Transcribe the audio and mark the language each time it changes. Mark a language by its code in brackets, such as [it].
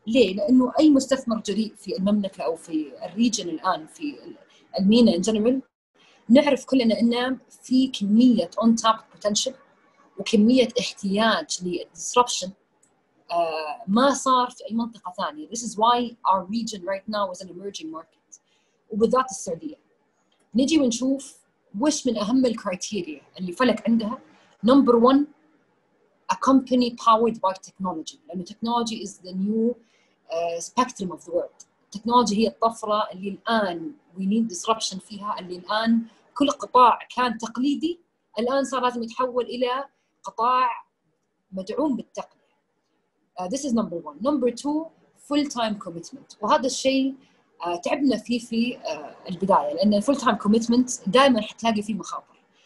[ar] ليه؟ لانه اي مستثمر جريء في المملكه او في الريجن الان في المينا [en] in general، [ar] نعرف كلنا إن في كمية [en] untapped potential [ar] وكمية احتياج للdisruption ما صار في أي منطقة ثانية. [en] This is why our region right now is an emerging market. [ar] وبالذات السعودية. نجي ونشوف وش من أهم الكريتيريا اللي فلك عندها. [en] Number one, a company powered by technology. [ar] لأن [en] technology is the new spectrum of the world. [ar] التكنولوجيا هي الطفرة اللي الآن [en] we need disruption [ar] فيها، اللي الآن كل قطاع كان تقليدي الآن صار لازم يتحول إلى قطاع مدعوم بالتقنية. [en] This is number one. Number two, full-time commitment. [ar] وهذا الشيء تعبنا فيه في البداية لأن full-time commitment دائما حتلاقي فيه مخاطر.